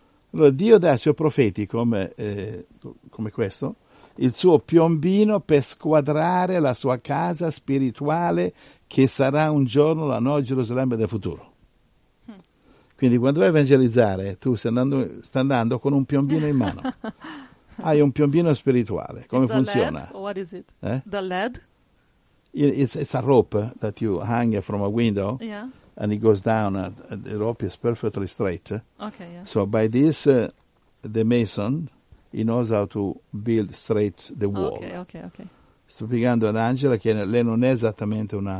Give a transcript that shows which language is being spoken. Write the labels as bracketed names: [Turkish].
[Italian] Allora Dio dà ai suoi profeti come questo, il suo piombino per squadrare la sua casa spirituale che sarà un giorno la nuova Gerusalemme del futuro. Quindi quando vai a evangelizzare, tu stai andando con un piombino in mano. Hai un piombino spirituale. Come funziona? [English] The LED? What is it? The LED? It's a rope that you hang from a window, yeah, and it goes down. The rope is perfectly straight. Okay. Yeah. So by this, the mason, he knows how to build straight the wall. Okay. [Italian] Sto spiegando ad Angela che lei non è esattamente una